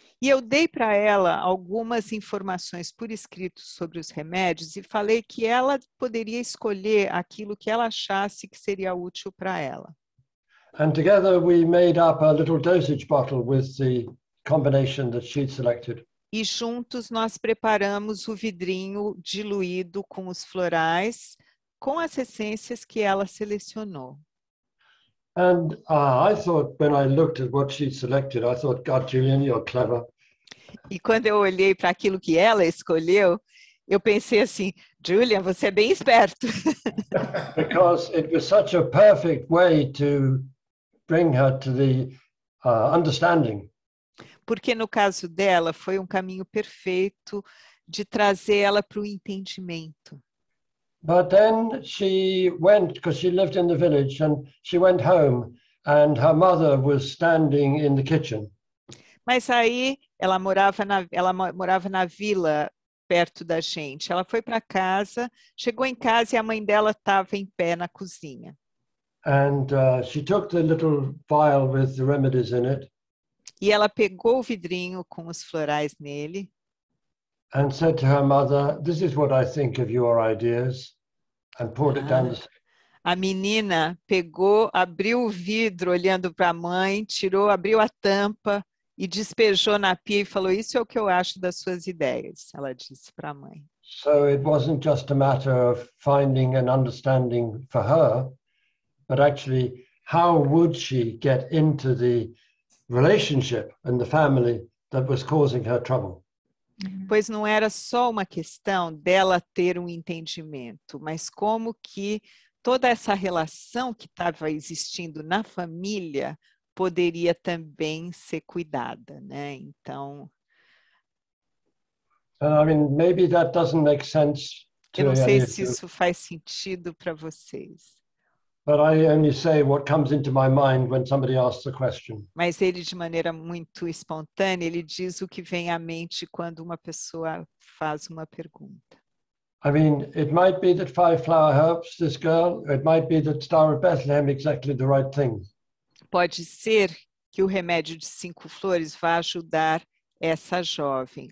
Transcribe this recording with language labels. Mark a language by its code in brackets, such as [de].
[pt] E eu dei para ela algumas informações por escrito sobre os remédios e falei que ela poderia escolher aquilo que ela achasse que seria útil para ela. [en] And together we made up a little dosage bottle with the combination that she'd selected. [pt] E juntos nós preparamos o vidrinho diluído com os florais, com as essências que ela selecionou. [en] And I thought, when I looked at what she selected, I thought, God, Julian, you're clever. [pt] E quando eu olhei para aquilo que ela escolheu, eu pensei assim, Julian, você é bem esperto. [en] Because it was such a perfect way to bring her to the understanding. [pt] Porque no caso dela foi um caminho perfeito de trazer ela para o entendimento. [en] But then she went, because she lived in the village, and she went home, and her mother was standing in the kitchen. [pt] Mas aí ela morava na vila perto da gente. Ela foi para casa, chegou em casa e a mãe dela estava em pé na cozinha. [en] And she took the little vial with the remedies in it. [pt] E ela pegou o vidrinho com os florais nele. [en] And said to her mother, "This is what I think of your ideas," and poured it down the sink. [pt] A menina pegou, abriu o vidro olhando para a mãe, tirou, abriu a tampa e despejou na pia e falou, isso é o que eu acho das suas ideias, ela disse para a mãe. [en] So it wasn't just a matter of finding an understanding for her, but actually, how would she get into the relationship and the family that was causing her trouble? [pt] Pois não era só uma questão dela ter um entendimento, mas como que toda essa relação que estava existindo na família poderia também ser cuidada, né? Então, [en] I mean, maybe that doesn't make sense to [pt] eu não sei se isso faz sentido para vocês. [en] But I only say what comes into my mind when somebody asks a question. [pt] Mas ele, de maneira muito espontânea, ele diz o que vem à mente quando uma pessoa faz uma pergunta. [en] I mean, it might be that five flower helps this girl. It might be that Star of Bethlehem exactly the right thing. [pt] Pode ser que o remédio de cinco flores vá ajudar essa jovem.